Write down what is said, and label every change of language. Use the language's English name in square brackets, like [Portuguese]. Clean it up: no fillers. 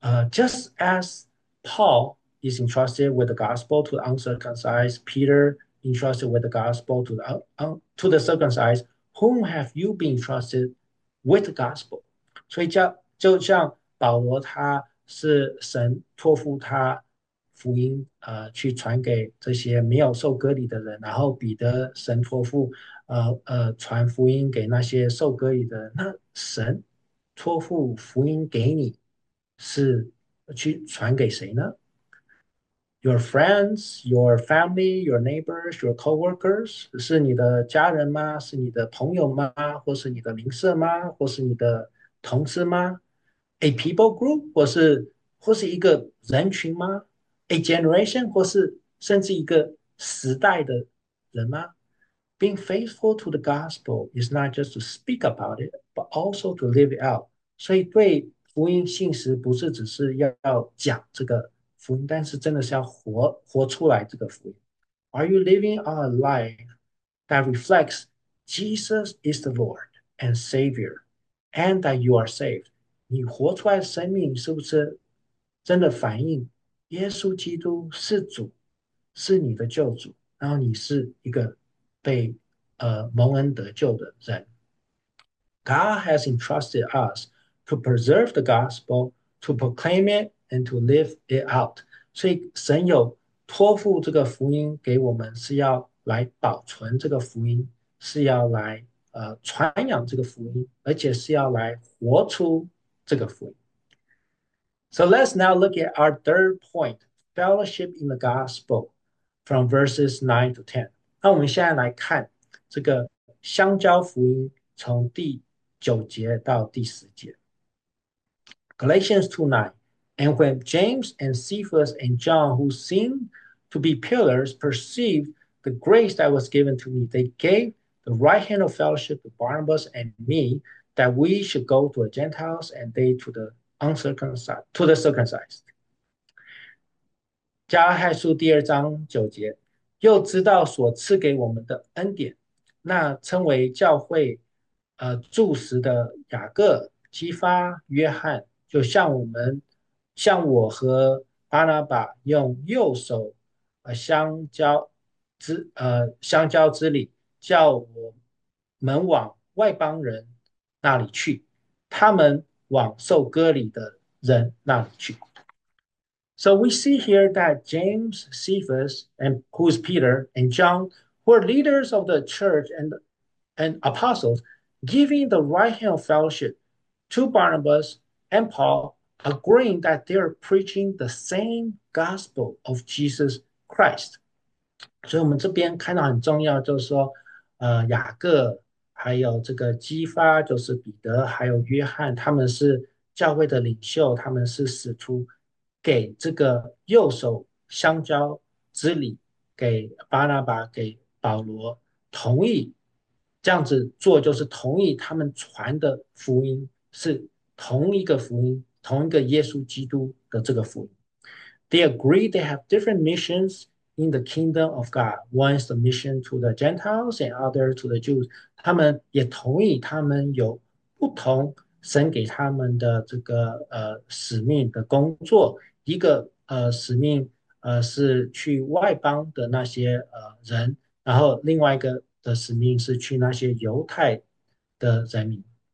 [English] Just as Paul is entrusted with the gospel to the uncircumcised, Peter entrusted with the gospel to the circumcised, whom have you been entrusted with the gospel? [Chinese] 所以就像保罗他是神托付他。福音，去传给这些没有受割礼的人。然后彼得神托付，传福音给那些受割礼的人。那神托付福音给你，是去传给谁呢？ [English] Your friends, your family, your neighbors, your coworkers， [Chinese] 是你的家人吗？是你的朋友吗？或是你的邻舍吗？或是你的同事吗？ [English] A people group， [Chinese] 或是一个人群吗？ [English] A generation， [Chinese] 或是甚至一个时代的人吗？ [English] Being faithful to the gospel is not just to speak about it, but also to live it out。 [Chinese] 所以，对福音信实不是只是要讲这个福音，但是真的是要活出来这个福音。 [English] Are you living a life that reflects Jesus is the Lord and Savior, and that you are saved？ [Chinese] 你活出来的生命是不是真的反映？耶稣基督是主，是你的救主，然后你是一个被蒙恩得救的人。 [English] God has entrusted us to preserve the gospel, to proclaim it, and to live it out。 [Chinese] 所以神有托付这个福音给我们，是要来保存这个福音，是要来传扬这个福音，而且是要来活出这个福音。 [English] So let's now look at our third point, fellowship in the gospel from verses 9 to 10. [Chinese] 那我们现在来看这个相交福音从第九节到第十节。 [English] Galatians 2:9, and when James and Cephas and John, who seemed to be pillars, perceived the grace that was given to me, they gave the right hand of fellowship to Barnabas and me, that we should go to the Gentiles and they to the uncircumcised to the circumcised。 [Chinese] 加太书第二章九节，又知道所赐给我们的恩典，那称为教会柱石的雅各、基发、约翰，就向我和巴拿巴用右手相交之礼，叫我们往外邦人那里去，他们往受割礼的人那里去。 [English] So we see here that James, Cephas, and who's Peter and John, who are leaders of the church and apostles, giving the right hand of fellowship to Barnabas and Paul, agreeing that they are preaching the same gospel of Jesus Christ. [Chinese] 所以，我们这边看到很重要，就是说，雅各还有这个基发，就是彼得，还有约翰，他们是教会的领袖，他们是使徒，给这个右手相交之礼，给巴拿巴，给保罗同意这样子做就是同意他们传的福音是同一个福音，同一个耶稣基督的这个福音。 [English] They agree they have different missions in the kingdom of God. One is the mission to the Gentiles and other to the Jews. [Chinese] 他们也同意他们有不同神给他们的这个使命的工作，一个使命是去外邦的那些人，然后另外一个的使命是去那些犹太的人民。